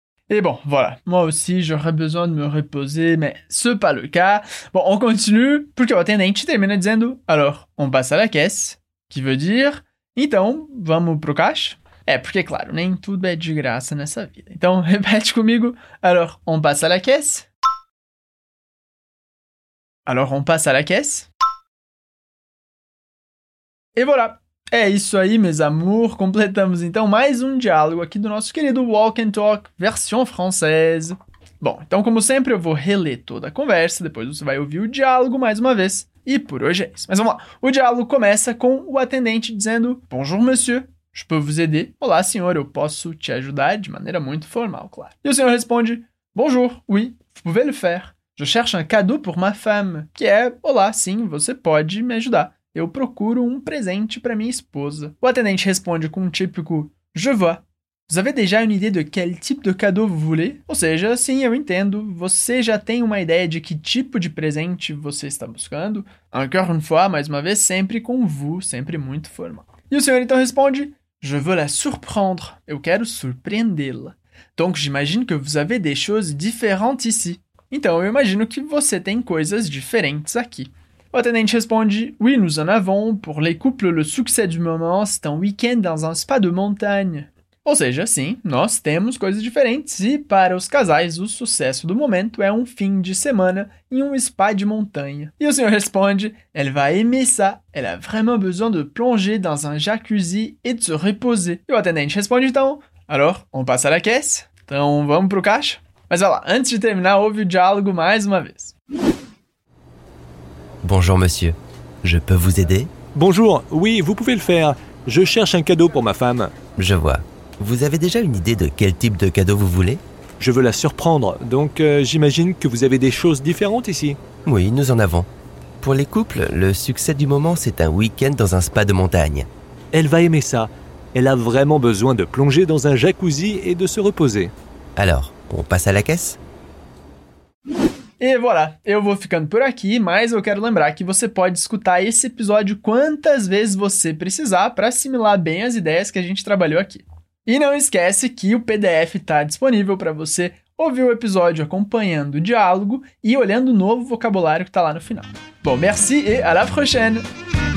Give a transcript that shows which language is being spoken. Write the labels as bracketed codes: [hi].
[fr] Et bon, voilà. Moi aussi, j'aurais besoin de me reposer, mais ce n'est pas le cas. Bon, on continue, [pt] porque o atendente termina dizendo, [fr] alors, on passe à la caisse, qui veut dire, [pt] então, vamos pro caixa? É, porque claro, nem tudo é de graça nessa vida. Então, repete comigo, [fr] alors, on passe à la caisse? Alors, on passe à la caisse. Et voilà. [pt] É isso aí, [fr] mes amours. [pt] Completamos, então, mais um diálogo aqui do nosso querido Walk and Talk, version française. Bom, então, como sempre, eu vou reler toda a conversa. Depois você vai ouvir o diálogo mais uma vez. E por hoje é isso. Mas vamos lá. O diálogo começa com o atendente dizendo [fr] Bonjour, monsieur. Je peux vous aider? [pt] Olá, senhor. Eu posso te ajudar de maneira muito formal, claro. E o senhor responde Bonjour. [fr] Oui, vous pouvez le faire. Je cherche un cadeau pour ma femme, [pt] que é, olá, sim, você pode me ajudar. Eu procuro um presente para minha esposa. O atendente responde com um típico [fr] Je vois. Vous avez déjà une idée de quel type de cadeau vous voulez? [pt] Ou seja, sim, eu entendo. Você já tem uma ideia de que tipo de presente você está buscando? [fr] Encore une fois, [pt] mais uma vez, sempre com vous, sempre muito formal. E o senhor então responde [fr] Je veux la surprendre. [pt] Eu quero surpreendê-la. [fr] Donc, j'imagine que vous avez des choses différentes ici. [pt] Então, eu imagino que você tem coisas diferentes aqui. O atendente responde, [fr] Oui, nous en avons. Pour les couples, le succès du moment, c'est un week-end dans un spa de montagne. [pt] Ou seja, sim, nós temos coisas diferentes e, para os casais, o sucesso do momento é um fim de semana em um spa de montanha. E o senhor responde, [fr] Elle va aimer ça. Elle a vraiment besoin de plonger dans un jacuzzi et de se reposer. [pt] E o atendente responde, então, [fr] Alors, on passe à la caisse? [pt] Então, vamos pro caixa? Mas olha lá, antes de terminar, ouve o diálogo mais uma vez. [fr] Bonjour monsieur, je peux vous aider? Bonjour, oui, vous pouvez le faire. Je cherche un cadeau pour ma femme. Je vois. Vous avez déjà une idée de quel type de cadeau vous voulez? Je veux la surprendre, donc j'imagine que vous avez des choses différentes ici. Oui, nous en avons. Pour les couples, le succès du moment, c'est un week-end dans un spa de montagne. Elle va aimer ça. Elle a vraiment besoin de plonger dans un jacuzzi et de se reposer. Alors, on passe à la caisse? [pt] E voilà, eu vou ficando por aqui, mas eu quero lembrar que você pode escutar esse episódio quantas vezes você precisar para assimilar bem as ideias que a gente trabalhou aqui. E não esquece que o PDF está disponível para você ouvir o episódio acompanhando o diálogo e olhando o novo vocabulário que está lá no final. Bom, merci e [fr] à la prochaine!